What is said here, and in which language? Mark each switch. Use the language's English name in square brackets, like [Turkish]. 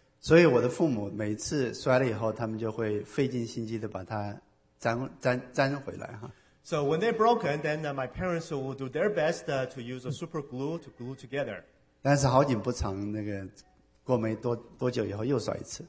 [Chinese] 所以我的父母每次摔了以后他们就会费尽心机的把它粘回来哈。 [English] So when they're broken, then my parents will do their best to use a super glue to glue together. [Chinese] 但是好景不长那个过没多久以后又摔一次。